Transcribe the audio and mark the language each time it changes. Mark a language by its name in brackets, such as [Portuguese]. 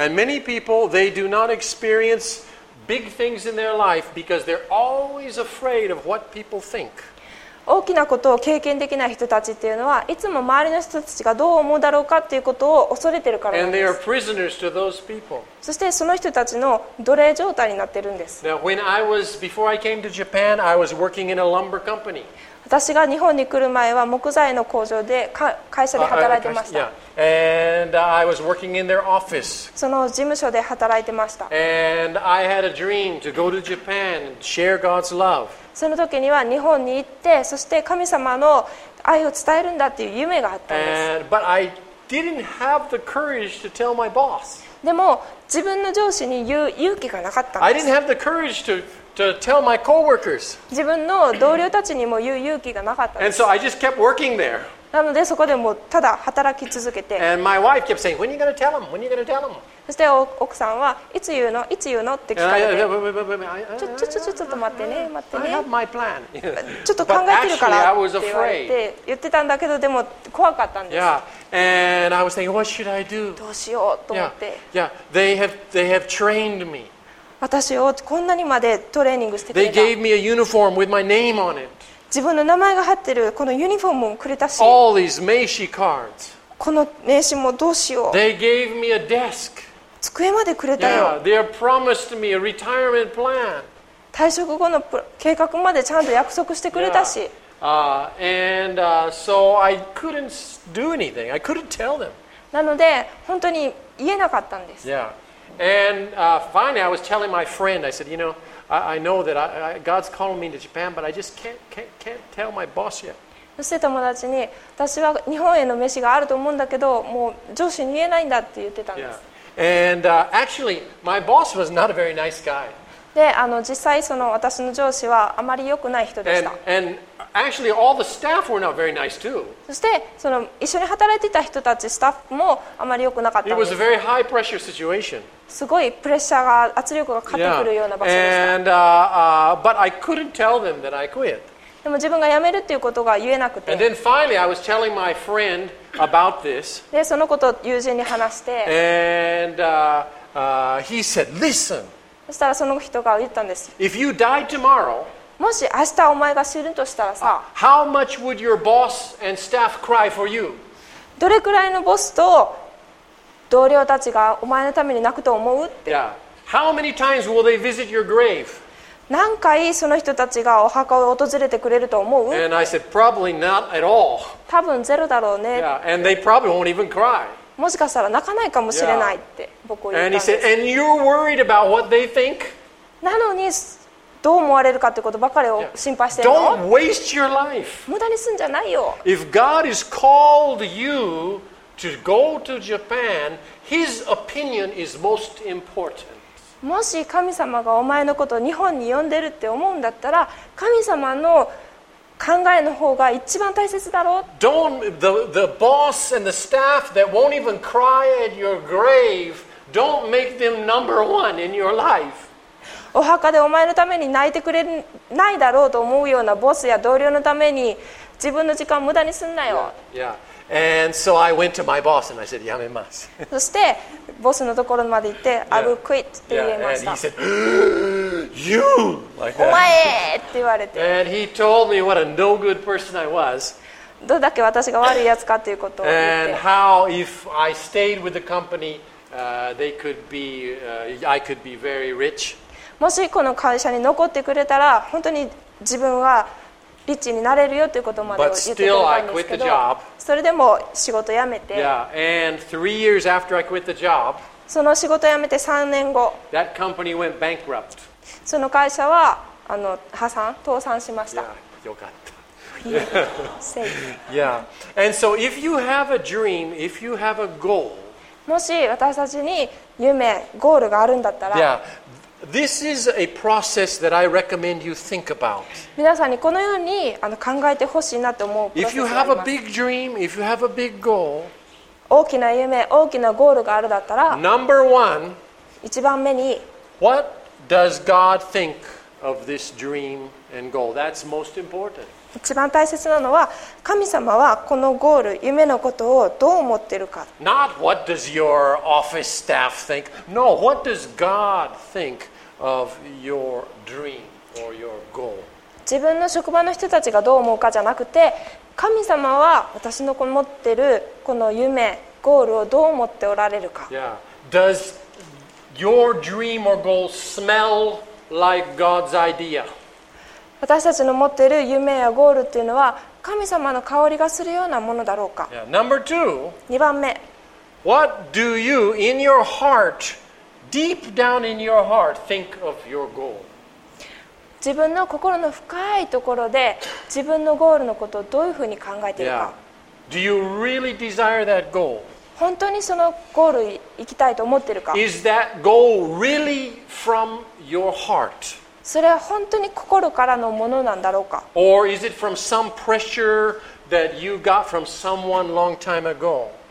[English] And many people, they do not experience big things in their life because they're always afraid of what people think. [Japanese] 大きなことを経験できない人たちっていうのはいつも周りの人たちがどう思うだろうかっていうことを恐れてるからなんです。 [English] And they are prisoners to those people. [Japanese] そしてその人たちの奴隷状態になってるんです。 [English] Now, when I was, before I came to Japan, I was working in a lumber company. [Japanese] 私が日本に来る前は木材の工場で会社で働いてました。 [English] And I was working in their office. [Japanese] その事務所で働いてました。 [English] And I had a dream to go to Japan and share God's love. [Japanese] その時には日本に行ってそして神様の愛を伝えるんだっていう夢があったんです。 [English] And, but I didn't have the courage to tell my boss. [Japanese] でも自分の上司に言う勇気がなかったんです。 [English] I didn't have the courage to tell my coworkers. [Japanese] 自分の同僚たちにも言う勇気がなかったんです。 [English] And so I just kept working there. [Japanese] なのでそこでもうただ働き続けて。 [English] And my wife kept saying, "When are you gonna tell him? When are you gonna tell him?" [Japanese] そして奥さんはいつ言うの、いつ言うのって聞かれて。ちょっと待ってね、待ってね。 [English] I have my plan. [Japanese] ちょっと考えてるからって言われて言ってたんだけど、でも怖かったんです。 [English] Yeah. And I was thinking, "What should I do?" [Japanese] どうしようと思って。 [English] Yeah. Yeah. They have trained me. [Japanese] 私をこんなにまでトレーニングしてくれた。 [English] They gave me a uniform with my name on it. [Japanese] 自分の名前が入ってるこのユニフォームをくれたし。 [English] All these 名刺 cards. [Japanese] この名刺もどうしよう。 [English] They gave me a desk. [Japanese] 机までくれたよ。 [English] Yeah, they promised me a retirement plan. [Japanese] 退職後の計画までちゃんと約束してくれたし。 [English] Yeah. So I couldn't do anything. I couldn't tell them. [Japanese] なので本当に言えなかったんです。 [English] Yeah. And finally, I was telling my friend. I said, "You know, I know that I, God's calling me to Japan, but I just can't tell my boss yet." [Japanese] そして友達に、私は日本への飯があると思うんだけど、もう上司に言えないんだって言ってたんです。 [English] Yeah. And actually, my boss was not a very nice guy. [Japanese] で、あの実際その私の上司はあまり良くない人でした。 [English] And actually, all the staff were not very nice too. [Japanese] そしてその一緒に働いてた人たちスタッフもあまり良くなかったんです。 [English] It was a very high pressure situation. [Japanese] すごいプレッシャーが圧力がかかってくるような場所でした。 [English] And, but I couldn't tell them that I quit. [Japanese] でも自分が辞めるっていうことが言えなくて。 [English] And then finally I was telling my friend about this. [Japanese] でそのことを友人に話して。 [English] And he said, "Listen." [Japanese] そしたらその人が言ったんです。 [English] If you die tomorrow, [Japanese] もし明日お前が死ぬとしたらさ、 [English] how much would your boss and staff cry for you? [Japanese] どれくらいのボスと同僚たちがお前のために泣くと思うって。 [English] Yeah. How many times will they visit your grave? [Japanese] 何回その人たちがお墓を訪れてくれると思う？ [English] And I said, probably not at all. [Japanese] 多分ゼロだろうね。 [English] Yeah. And they probably won't even cry. [Japanese] もしかしたら泣かないかもしれないって僕言ったんです。 [English] And he said, and you're worried about what they think? [Japanese] なのにどう思われるかってことばかりを心配してる [English] の？Don't waste your life. [Japanese] 無駄にすんじゃないよ。 [English] If God has called you,To go to Japan, his opinion is most important. [Japanese] もし神様がお前のことを日本に呼んでるって思うんだったら、神様の考えの方が一番大切だろう。 [English] Don't the boss and the staff that won't even cry at your grave, don't make them number one in your life. [Japanese] お墓でお前のために泣いてくれないだろうと思うようなボスや同僚のために自分の時間を無駄にすんなよ。 [English] Yeah. Yeah. And so I went to my boss and I said, [Japanese] やめます。そして、ボスのところまで行って、 [English] I will quit [Japanese] って言いました。 [English] And he said, you! Like that. [Japanese] お前って言われて。 [English] And he told me what a no good person I was. [Japanese] どれだけ私が悪いやつかということを言って。 [English] And how if I stayed with the company, I could be very rich. [Japanese] もしこの会社に残ってくれたら、本当に自分はリッチになれるよということまで言ってくれたんですけど、それでも仕事辞めて、 [English] yeah. And 3 years after I quit the job, [Japanese] その仕事辞めて3年後、 [English] that company went bankrupt. [Japanese] その会社はあの破産、倒産しました。 [English] Yeah. [Japanese] よかった。セーフ。 [English] Yeah. And so if you have a dream, if you have a goal, [Japanese] もし私たちに夢、ゴールがあるんだったら、 [English] yeah. This is a process that I recommend you think about. [Japanese] 皆さんにこのようにあの考えてほしいなと思うプロセスがあります。 [English] If you have a big dream, if you have a big goal, [Japanese] 大きな夢、大きなゴールがあるだったら、 [English] Number one, [Japanese] 一番目に、 [English] What does God think of this dream and goal? That's most important. [Japanese] 一番大切なのは、神様はこのゴール、夢のことをどう思ってるか。 [English] Not what does your office staff think? No, what does God think? Of your dream or your goal. [Japanese] 自分の職場の人たちがどう思うかじゃなくて、神様は私の持ってるこの夢、ゴールをどう思っておられるか。 [English] Yeah. Does your dream or goal smell like God's idea? [Japanese] 私たちの持ってる夢やゴールっていうのは神様の香りがするようなものだろうか。 [English] Yeah. Number two. [Japanese] 2番目。 [English] What do you in your heart? Deep down in your heart, think of your goal. [Japanese] 自分の心の深いところで自分のゴールのことをどういうふうに考えているか。 [English] Yeah. Do you really desire that goal? [Japanese] 本当にそのゴール行きたいと思っているか。 [English] Is that goal really from your heart? [Japanese] それは本当に心からのものなんだろうか。 [English] Or is it from some pressure that you got from someone long time ago?